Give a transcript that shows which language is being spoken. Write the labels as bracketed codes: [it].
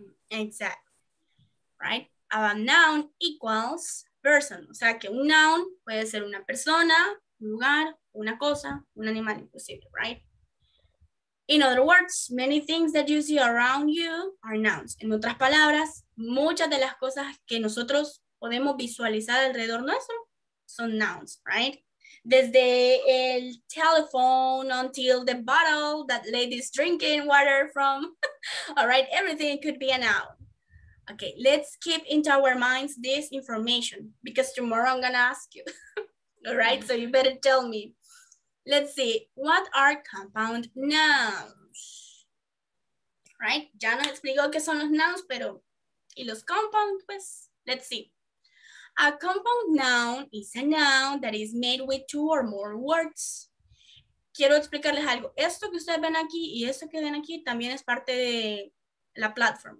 [en] Exactly. Right? A noun equals person. [es] O sea, que un noun puede ser una persona, un lugar, una cosa, un animal inclusive, right? [en] In other words, many things that you see around you are nouns. [es] En otras palabras, muchas de las cosas que nosotros podemos visualizar alrededor nuestro son nouns, right? Desde el [en] telephone until the bottle that lady's drinking water from, all right? Everything could be a noun. Okay, let's keep into our minds this information because tomorrow I'm gonna ask you, all right? So you better tell me. Let's see, what are compound nouns? [es] Right, ya no explico qué son los nouns, pero ¿y los compound, pues? [en] Let's see. A compound noun is a noun that is made with two or more words. [es] Quiero explicarles algo. Esto que ustedes ven aquí y esto que ven aquí también es parte de la plataforma.